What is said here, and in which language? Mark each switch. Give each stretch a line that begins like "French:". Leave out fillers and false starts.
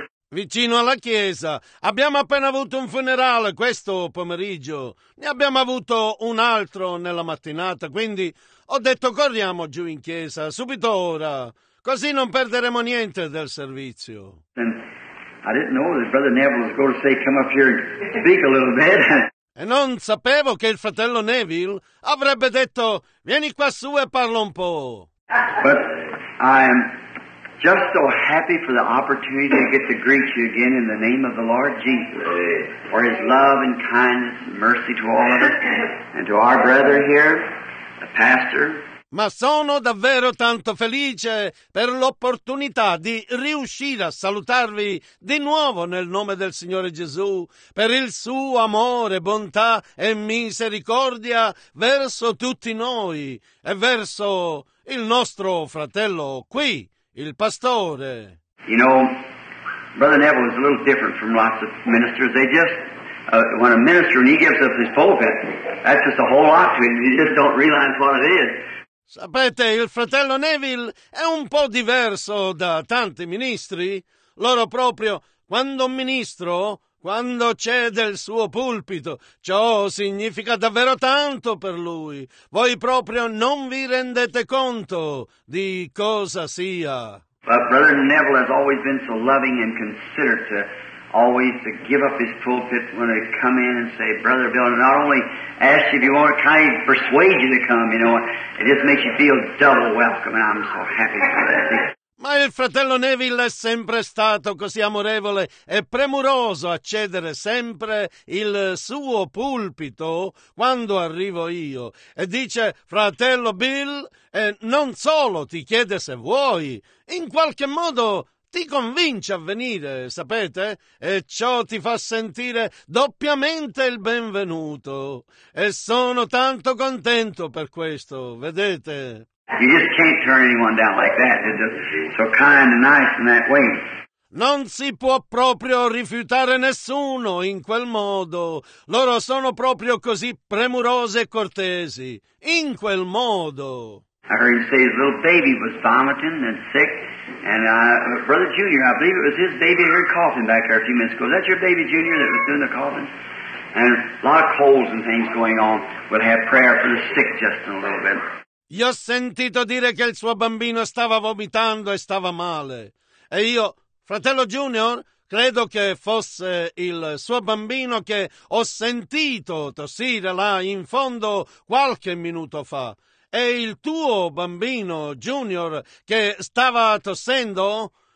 Italian: Vicino alla chiesa abbiamo appena avuto un funerale questo pomeriggio, ne abbiamo avuto un altro nella mattinata, quindi ho detto corriamo giù in chiesa subito ora, così non perderemo niente del servizio.
English: And I didn't know that Brother Neville was going to say come up here and speak a little bit.
Italian: E non sapevo che il fratello Neville avrebbe detto vieni qua su e parla un po'.
English: But I'm just so happy for the opportunity to get to greet you again in the name of the Lord Jesus for his love and kindness and mercy to all of us and to our brother here, the pastor.
Italian: Ma sono davvero tanto felice per l'opportunità di riuscire a salutarvi di nuovo nel nome del Signore Gesù per il suo amore, bontà e misericordia verso tutti noi e verso il nostro fratello qui, il pastore.
English: You know, Brother Neville is a little different from lots of ministers. They just, when a minister, when he gives up his pulpit, that's just a whole lot to him. You just don't realize what it is.
Italian: Sapete, il fratello Neville è un po' diverso da tanti ministri. Loro proprio, quando un ministro, quando cede il suo pulpito, ciò significa davvero tanto per lui. Voi proprio non vi rendete conto di cosa sia.
English: But Brother Neville has always been so loving and considerate to always to give up his pulpit when they come in and say, Brother Bill, not only ask you if you want to kind of persuade you to come, you know, it just makes you feel double welcome, and I'm so happy for that.
Italian: Ma il fratello Neville è sempre stato così amorevole e premuroso a cedere sempre il suo pulpito quando arrivo io. E dice, fratello Bill, non solo ti chiede se vuoi, in qualche modo ti convince a venire, sapete? E ciò ti fa sentire doppiamente il benvenuto. E sono tanto contento per questo, vedete?
English: You just can't turn anyone down like that. They're just so kind and nice in that way.
Italian: Non si può proprio rifiutare nessuno in quel modo. Loro sono proprio così premurose e cortesi. In quel modo.
English: I heard him say his little baby was vomiting and sick. And Brother Junior, I believe it was his baby that heard coughing back there a few minutes ago. Is that your baby, Junior, that was doing the coughing? And a lot of colds and things going on. We'll have prayer for the sick just in a little bit.
Italian: Io ho sentito dire che il suo bambino stava vomitando e stava male. E io, fratello Junior, credo che fosse il suo bambino che ho sentito tossire là in fondo qualche minuto fa. È il tuo bambino, Junior, che stava tossendo?